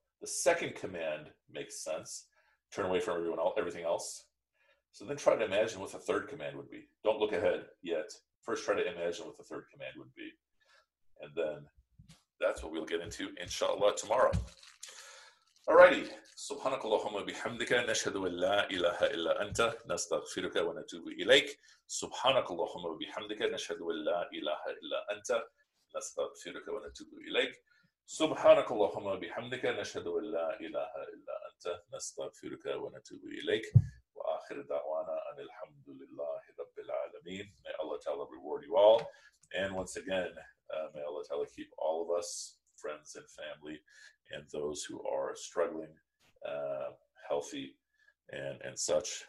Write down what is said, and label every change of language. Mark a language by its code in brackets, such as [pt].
[en] The second command makes sense, turn away from everything else. So then try to imagine what the third command would be. Don't look ahead yet. First try to imagine what the third command would be. And then that's what we'll get into, inshallah, tomorrow. Alrighty. [ar] سبحانك اللهم وبحمدك نشهد أن لا إله إلا أنت نستغفرك ونتوب إليك سبحانك اللهم وبحمدك نشهد أن لا إله إلا أنت نستغفرك ونتوب إليك سبحانك اللهم وبحمدك نشهد أن لا إله إلا أنت نستغفرك ونتوب إليك وآخر دعوانا أن الحمد لله رب العالمين. [en] May Allah Ta'ala reward you all, and once again may Allah Ta'ala keep all of us, friends and family, and those who are struggling, healthy and such.